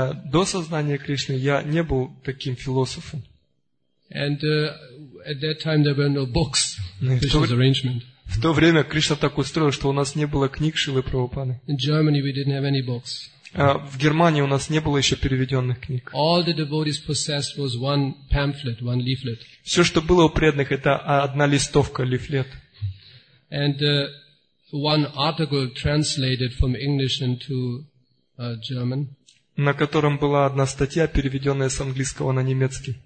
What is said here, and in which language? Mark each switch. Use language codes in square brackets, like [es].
[ru] До сознания Кришны я не был таким философом. [en] And at that time there were no books. Krishna's arrangement. [ru] В то время Кришна так устроил, что у нас не было книг Шрилы Прабхупады. [en] In Germany we didn't have any books. [ru] В Германии у нас не было еще переведенных книг. [en] All the devotees possessed was one pamphlet, one leaflet. [ru] Все, что было у преданных, это одна листовка, лифлет. [en] And one article translated from English into German. [ru] На котором была одна статья, переведенная с английского на немецкий.